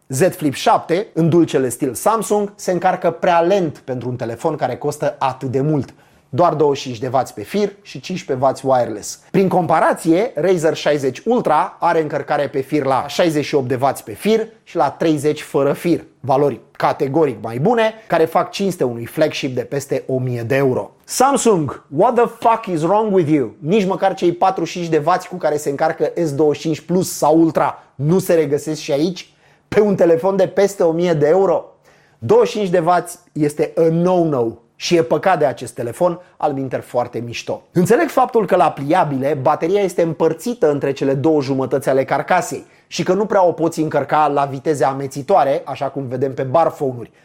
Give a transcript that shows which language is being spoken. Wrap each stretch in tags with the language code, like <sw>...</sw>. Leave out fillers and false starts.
<ro>Z Flip 7, în dulcele stil Samsung, se încarcă prea lent pentru un telefon care costă atât de mult. Doar 25W pe fir și 15W wireless. Prin comparație, Razer 60 Ultra are încărcare pe fir la 68W pe fir și la 30 fără fir, valori categoric mai bune, care fac cinste unui flagship de peste 1000 de euro.</ro> <en>Samsung, what the fuck is wrong with you?</en> <ro>Nici măcar cei 45W cu care se încarcă S25 Plus sau Ultra nu se regăsesc și aici? Pe un telefon de peste 1000 de euro? 25W este</ro> <en>a no-no.</en> <ro>Și e păcat de acest telefon, albinter foarte mișto. Înțeleg faptul că la pliabile, bateria este împărțită între cele două jumătăți ale carcasei și că nu prea o poți încărca la viteze amețitoare, așa cum vedem pe barphone-uri.</ro>